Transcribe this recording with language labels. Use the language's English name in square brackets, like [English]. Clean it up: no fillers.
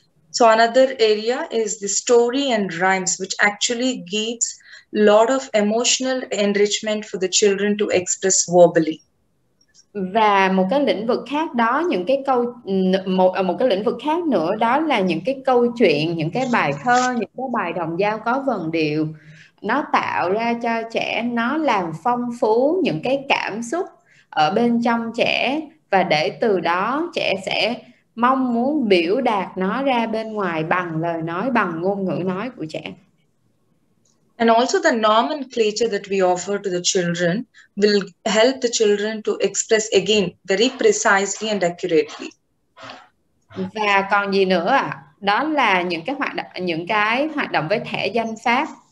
[English] So another area is the story and rhymes, which actually gives lot of emotional enrichment for the children to express verbally. [Vietnamese] Và một cái lĩnh vực khác đó, những cái câu một một cái lĩnh vực khác nữa đó là những cái câu chuyện, những cái bài thơ, những cái bài đồng giao có vần điệu, nó tạo ra cho trẻ, nó làm phong phú những cái cảm xúc ở bên trong trẻ, và để từ đó trẻ sẽ mong muốn biểu đạt nó ra bên ngoài bằng lời nói, bằng ngôn ngữ nói của trẻ. [English] And also the nomenclature that we offer to the children will help the children to express again very precisely and accurately. [Vietnamese] Và còn gì nữa ạ? Đó là những cái hoạt động với thẻ danh pháp.